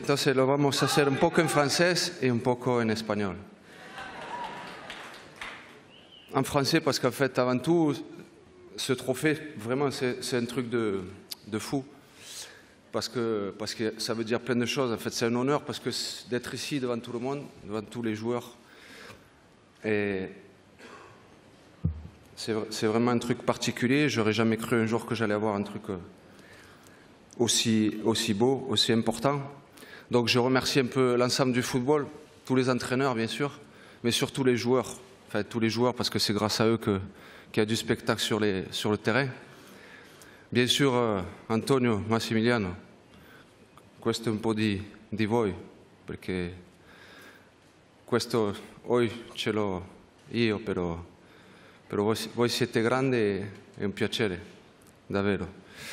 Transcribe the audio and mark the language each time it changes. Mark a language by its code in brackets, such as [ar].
[es] Entonces lo vamos a hacer un poco en francés y un poco en español. [fr] En français parce qu'en fait, avant tout, ce trophée, vraiment, c'est un truc de fou. Parce que ça veut dire plein de choses. En fait, c'est un honneur parce que d'être ici devant tout le monde, devant tous les joueurs, et c'est vraiment un truc particulier. J'aurais jamais cru un jour que j'allais avoir un truc aussi beau, aussi important. Donc je remercie un peu l'ensemble du football, tous les entraîneurs bien sûr, mais surtout les joueurs. Enfin, tous les joueurs, parce que c'est grâce à eux qu'il y a du spectacle sur le terrain. [it] Bien sûr, Antonio, Massimiliano, questo è un po' di voi, perché questo oggi ce l'ho io, però voi siete grandi, è un piacere, davvero.